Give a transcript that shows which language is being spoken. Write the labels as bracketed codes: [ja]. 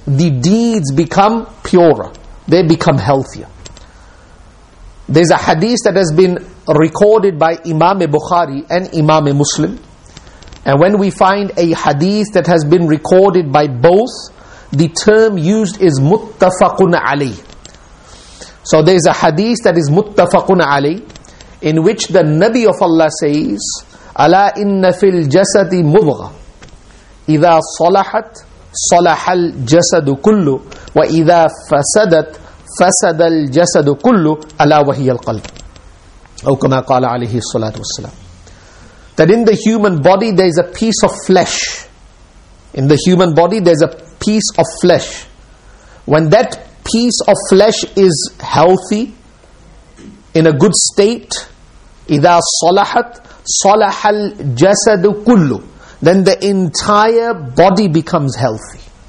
[en] The deeds become purer. They become healthier. There's a hadith that has been recorded by Imam Bukhari and Imam Muslim. And when we find a hadith that has been recorded by both, the term used is muttafaqun alayh. So there's a hadith that is muttafaqun alayh, in which the Nabi of Allah says, [ar] أَلَا إِنَّ فِي الْجَسَدِ مُضْغَ إِذَا صَلَحَتْ صَلَحَ الْجَسَدُ كُلُّ وَإِذَا فَسَدَتْ فَسَدَ الْجَسَدُ كُلُّ أَلَا وَهِيَ الْقَلْبِ أو كما قال عليه الصلاة والسلام. [en] That in the human body there is a piece of flesh. In the human body there is a piece of flesh. When that piece of flesh is healthy, in a good state, [ar] إِذَا صَلَحَتْ صَلَحَ الْجَسَدُ كُلُّ, [en] then the entire body becomes healthy.